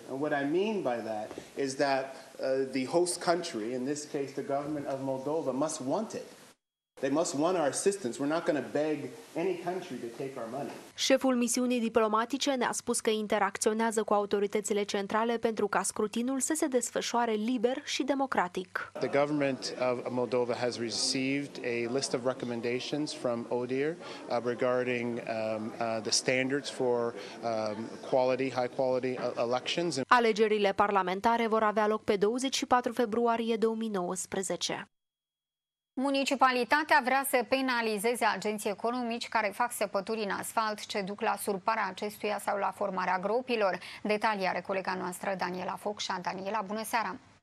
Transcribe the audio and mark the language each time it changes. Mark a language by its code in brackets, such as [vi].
[en] And what I mean by that is that the host country, in this case the government of Moldova, must want it. They must want our assistance. We're not going to beg any country to take our money. [ro] Șeful misiunii diplomatice ne-a spus că interacționează cu autoritățile centrale pentru ca scrutinul să se desfășoare liber și democratic. [en] The government of Moldova has received a list of recommendations from ODIHR regarding the standards for high quality elections. [ro] Alegerile parlamentare vor avea loc pe 24 februarie 2019. Municipalitatea vrea să penalizeze agenții economici care fac săpături în asfalt ce duc la surparea acestuia sau la formarea gropilor. Detalii are colega noastră Daniela Focșan. Daniela, bună seara!